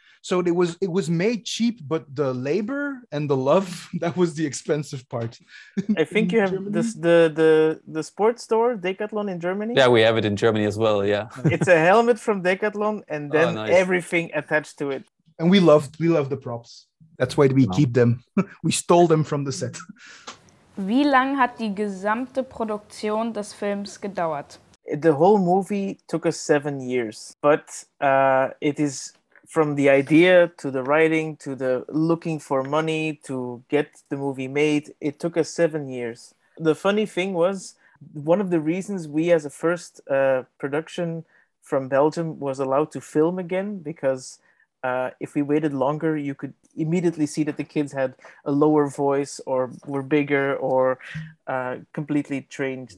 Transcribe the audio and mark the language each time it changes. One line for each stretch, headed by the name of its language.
English: So it was made cheap, but the labor and the love, that was the expensive part. I think you have this, the sports store Decathlon in Germany. Yeah, we have it in Germany as well. Yeah, it's a helmet from Decathlon, and then everything attached to it. And we love the props. That's why we keep them. We stole them from the set.
German: Wie lang hat die gesamte Produktion des Films gedauert?
English: The whole movie took us 7 years, but it is from the idea to the writing to the looking for money to get the movie made. It took us 7 years. The funny thing was, one of the reasons we as a first production from Belgium was allowed to film again, because if we waited longer, you could immediately see that the kids had a lower voice or were bigger or completely trained.